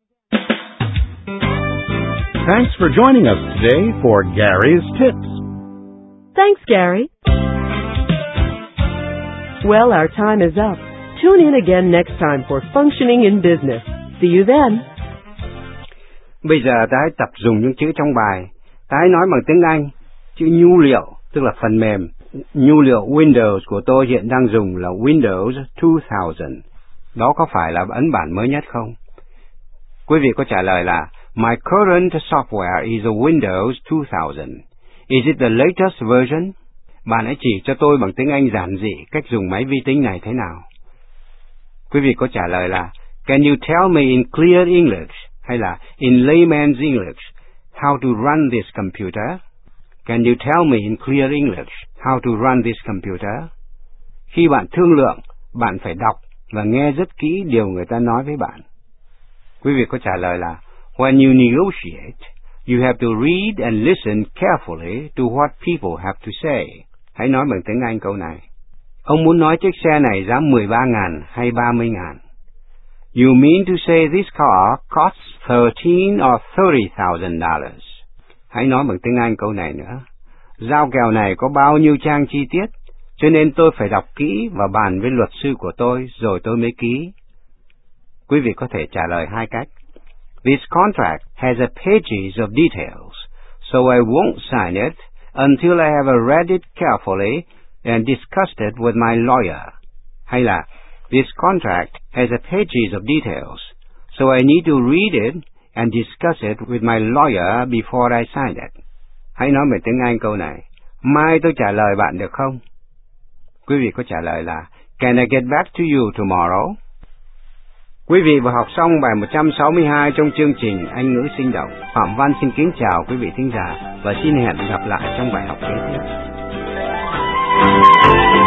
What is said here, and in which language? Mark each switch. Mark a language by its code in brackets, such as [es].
[en] Thanks for joining us today for Gary's Tips. Thanks, Gary. Well, our time is up. Tune in again next time for Functioning in Business. See you then. [vi] Bây giờ ta hãy tập dùng những chữ trong bài. Ta hãy nói bằng tiếng Anh. Chữ nhu liệu, tức là phần mềm. Nhu liệu Windows của tôi hiện đang dùng là Windows 2000. Đó có phải là ấn bản mới nhất không? Quý vị có trả lời là [en] My current software is a Windows 2000. Is it the latest version? [vi] Bạn hãy chỉ cho tôi bằng tiếng Anh giản dị cách dùng máy vi tính này thế nào. Quý vị có trả lời là [en] Can you tell me in clear English? [vi] Hay là [en] In layman's English, how to run this computer? Can you tell me in clear English how to run this computer? [vi] Khi bạn thương lượng, bạn phải đọc và nghe rất kỹ điều người ta nói với bạn. Quý vị có trả lời là [en] When you negotiate, you have to read and listen carefully to what people have to say. [vi] Hãy nói bằng tiếng Anh câu này. Ông muốn nói chiếc xe này giá 13.000 hay 30.000? [en] You mean to say this car costs $13,000 or $30,000? [vi] Hãy nói bằng tiếng Anh câu này nữa. Giao kèo này có bao nhiêu trang chi tiết, cho nên tôi phải đọc kỹ và bàn với luật sư của tôi, rồi tôi mới ký. Quý vị có thể trả lời hai cách. [en] This contract has a pages of details, so I won't sign it until I have read it carefully and discussed it with my lawyer. [vi] Hay là, [en] this contract has a pages of details, so I need to read it and discuss it with my lawyer before I sign it. [vi] Hãy nói bằng tiếng Anh câu này. Mai tôi trả lời bạn được không? Quý vị có trả lời là [en] Can I get back to you tomorrow? [vi] Quý vị vừa học xong bài 162 trong chương trình Anh ngữ sinh động. Phạm Văn xin kính chào quý vị thính giả và xin hẹn gặp lại trong bài học kế tiếp.